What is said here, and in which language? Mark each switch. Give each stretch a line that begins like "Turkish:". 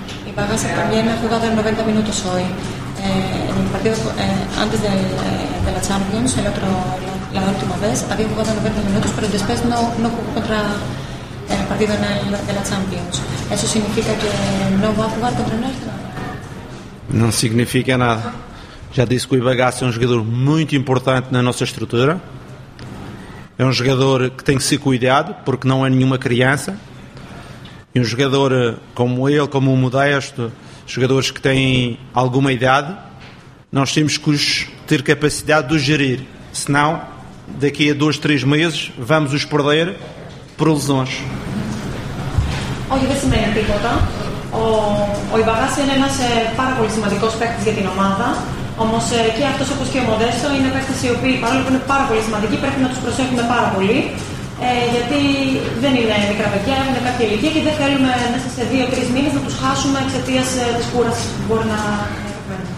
Spanish: Η Bagasa también ha jugado en 90 minutos hoy. En el partido antes de la Champions, el otro, la última vez, había jugado 90 minutos, pero después no jugó contra el partido de la Champions. ¿Eso significa que no va a jugar contra nuestro?
Portuguese: Não significa nada. Já disse que o Ibagaça é um jogador muito importante na nossa estrutura. É um jogador que tem que ser cuidado, porque não é nenhuma criança. E um jogador como ele, como o Modesto, jogadores que têm alguma idade, nós temos que ter capacidade de os gerir. Senão, daqui a 2-3 meses, vamos os perder por lesões. Olha, vê-se bem, Pipota.
Greek: Ο Ιβαγάση είναι ένας πάρα πολύ σημαντικός παίκτης για την ομάδα. Όμως και αυτός, όπως και ο Μοντέστο, είναι παίκτες οι οποίοι, παρόλο που είναι πάρα πολύ σημαντικοί, πρέπει να τους προσέχουμε πάρα πολύ. Γιατί δεν είναι μικρά παιδιά, έχουν κάποια ηλικία και δεν θέλουμε μέσα σε 2-3 μήνες να τους χάσουμε εξαιτίας της κούρασης που μπορεί να έχουμε.